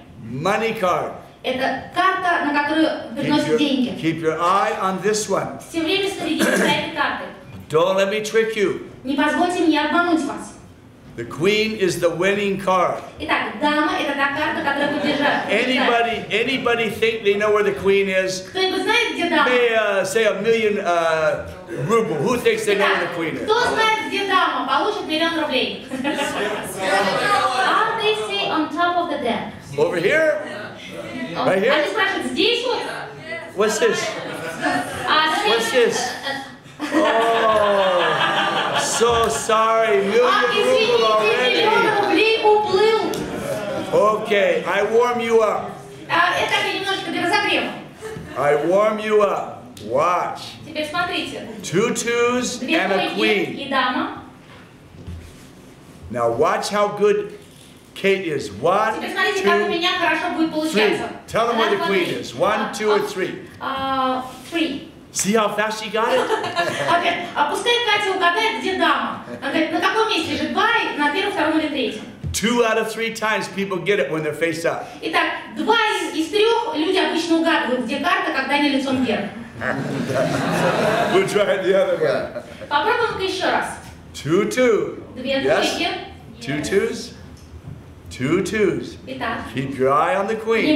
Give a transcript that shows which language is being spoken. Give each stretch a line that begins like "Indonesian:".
English: Money card.
Russian: Это карта, на которую выносят деньги.
English: Keep your eye on this one.
Russian: Все время следите за этой картой.
English: Don't let me trick you.
Russian: Не позвольте мне обмануть вас.
English: The queen is the winning card.
Russian: Итак, дама это та карта, которая побеждает.
English: Anybody think they know where the queen is?
Russian: Кто-нибудь знает, где дама?
English: May say a million ruble. Who thinks they know where the queen is?
Russian: Кто знает, где дама? Получит миллион рублей.
English: How they say on top of the deck? Over here? Right here?
Russian: Они спрашивают, здесь вот?
English: What's this? What's this? Oh. So sorry, million rubles already. Okay, I warm you up. I warm you up. Watch. Two twos and a queen. Now watch how good Kate is. One, two, three. Tell them where the queen is. One, two, or three. Three. See how fast she got it?
Russian: Okay, опускает Катя, угадает, где дама. Она говорит, на каком месте же? Два, на первом, втором или третьем.
English: Two out of three times people get it when they're face up.
Russian: Итак, два из трех люди обычно угадывают, где карта, когда они лицом вверх.
English: We'll try it the other way.
Russian: Попробуем еще раз.
English: Two twos.
Russian: Две двойки.
English: Two twos. Two twos.
Russian: Итак.
English: Keep your eye on the queen.